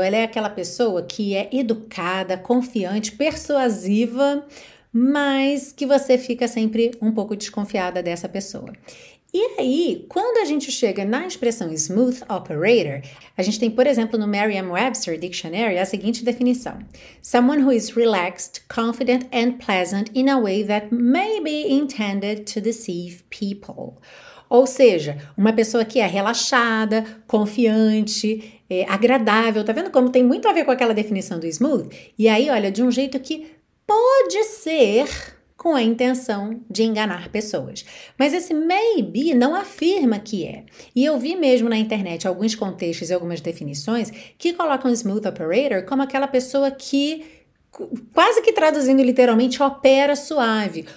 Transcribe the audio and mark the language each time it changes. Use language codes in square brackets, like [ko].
[pt] Ela é aquela pessoa que é educada, confiante, persuasiva, mas que você fica sempre um pouco desconfiada dessa pessoa. E aí, quando a gente chega na expressão smooth operator, a gente tem, por exemplo, no Merriam-Webster Dictionary, a seguinte definição. [en] Someone who is relaxed, confident and pleasant in a way that may be intended to deceive people. [pt] Ou seja, uma pessoa que é relaxada, confiante, agradável. Tá vendo como tem muito a ver com aquela definição do smooth? E aí, olha, de um jeito que pode ser com a intenção de enganar pessoas. Mas esse maybe não afirma que é. E eu vi mesmo na internet alguns contextos e algumas definições que colocam smooth operator como aquela pessoa que, quase que traduzindo literalmente, opera suave.